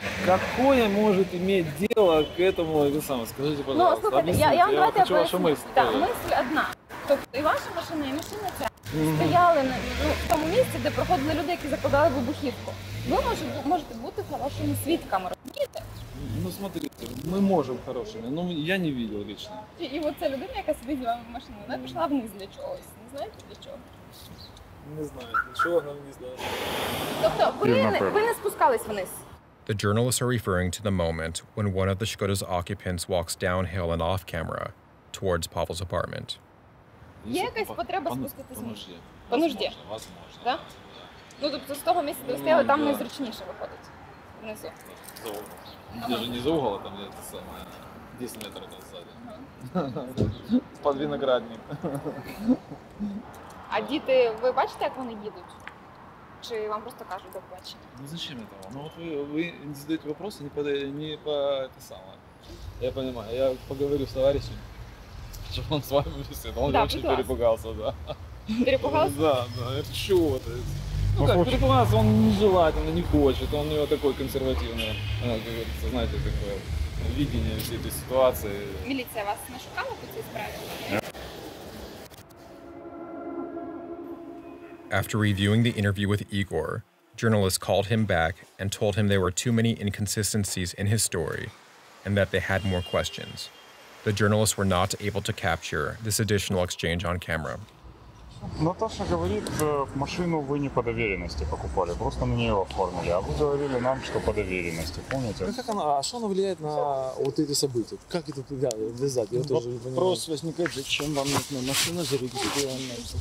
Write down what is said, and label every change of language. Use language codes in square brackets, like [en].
[uk] Яке може мати діло [ru] к этому, [uk] ви саме скажіть, будь ласка. Ну слухайте, я вам давайте поясню. Я хочу вашу мисль. Так, мисль одна. Тобто і ваша машина, і машина ця. Стояли в тому місці, де проходили люди, які закладали вибухівку. Ви можете бути хорошими свідками, розумієте? Ну, [ru] смотрите, [uk] ми можемо хорошими, але я не бачив лично. І оця людина, яка собі взяла машину, вона пішла вниз для чогось. Не знаєте, для чого? Не знаю, для чого вона вниз для чогось. Тобто, ви не спускались вниз? [en] The journalists are referring to the moment when one of the Skoda's occupants walks downhill and off camera towards Pavel's apartment. [uk] Є якась потреба спуститися? По нужді. [ru] Возможно. Да? [uk] Ну, тобто з того місця, де ви стояли, там найзручніше виходить. Внизу. [ru] За угол. [uk] Я ж не за угол, а там це саме. 10 метрів ззаду. Ага. Під виноградник. А діти, ви бачите, як вони їдуть? Чи вам просто кажуть до побачення? [ru] Ну зачем это вам? [uk] Ну от ви задаєте питання, не по це саме. Я розумію, я поговорю з товаришем, щоб він з вами висит. [ru] Он вообще перепугался, да. Перепугался? Да, да. Чего ты? Ну как, перепугался, он нежелательно, не хочет. Он у него такое консервативное, знаете, такое видение всей этой ситуации. [uk] Милиция вас нашукала по цій справі? [en] After reviewing the interview with Igor, journalists called him back and told him there were too many inconsistencies in his story and that they had more questions. The journalists were not able to capture this additional exchange on camera. [ru] Наташа говорит, машину вы не по доверенности покупали, просто на нее оформили, а вы говорили нам, что по доверенности, помните? Ну как она, а что она влияет на вот эти события? Как это ввязать? Я тоже не понимаю. Вопрос возникает, зачем вам нужна машина зарегистрирована?